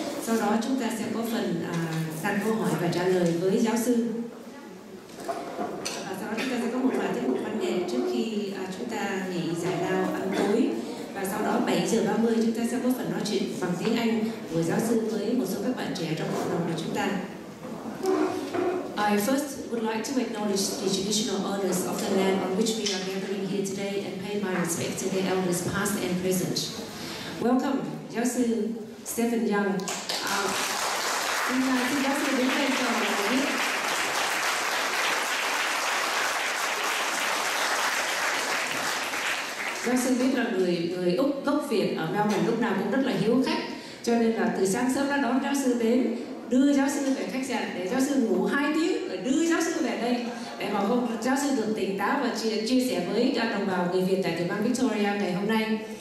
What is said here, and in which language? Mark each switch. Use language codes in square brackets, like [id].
[vi] Sau đó chúng ta sẽ có phần đặt câu hỏi và trả lời với giáo sư. Sau đó chúng ta sẽ có một vài tiết mục văn nghệ trước khi chúng ta nghỉ giải lao ăn tối. Và sau đó 7:30 chúng ta sẽ có phần nói chuyện bằng tiếng Anh của giáo sư với một số các bạn trẻ trong cộng đồng của chúng ta. [en] I would like to acknowledge the traditional owners of the land on which we are gathering here today and pay my respect to their elders past and present. Welcome, giáo sư Stephen Young. [vi] Xin giáo sư đứng lên chào mọi người. Giáo sư biết là người Úc gốc Việt ở Melbourne lúc nào cũng rất là hiếu khách, cho nên là từ sáng sớm đã đón giáo sư đến, đưa giáo sư về khách sạn để giáo sư ngủ 2 tiếng, rồi đưa giáo sư về đây để mà hôm giáo sư được tỉnh táo và chia sẻ với đồng bào người Việt tại tiểu bang Victoria ngày hôm nay.